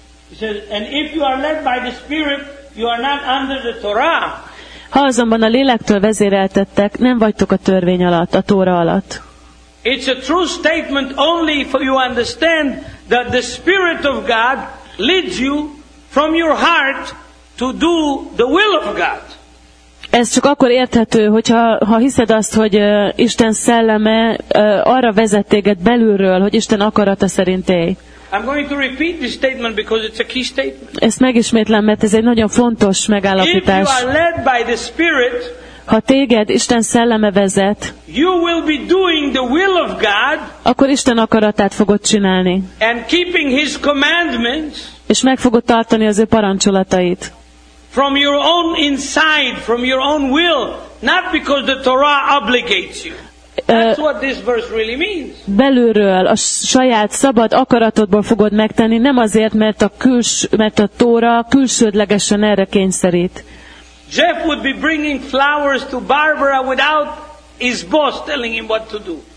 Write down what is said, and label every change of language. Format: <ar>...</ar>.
<en>He says, and if you are led by the Spirit, you are not under the Torah.</en> <hu>Ha azonban a lélektől vezéreltettek, nem vagytok a törvény alatt, a Tóra alatt.</hu> <en>It's a true statement only if you understand that the Spirit of God leads you from your heart to do the will of God.</en> <hu>Ez csak akkor érthető, hogyha hiszed azt, hogy Isten szelleme arra vezet téged belülről, hogy Isten akarata szerint élj.</hu> <en>I'm going to repeat this statement because it's a key statement.</en> <hu>Ezt megismétlem, mert ez egy nagyon fontos megállapítás.</hu> <en>If you are led by the Spirit,</en> <hu>ha téged Isten szelleme vezet,</hu> <en>you will be doing the will of God,</en> <hu>akkor Isten akaratát fogod csinálni.</hu> <en>And keeping his commandments,</en> <hu>és meg fogod tartani az ő parancsolatait.</hu> <en>From your own inside, from your own will, not because the Torah obligates you. That's what this verse really means.</en> <hu>Belülről, a saját szabad akaratodból fogod megtenni, nem azért, mert a Tóra külsődlegesen erre kényszerít.</hu> <en>Jeff would be bringing flowers to Barbara without his boss telling him what to do.</en>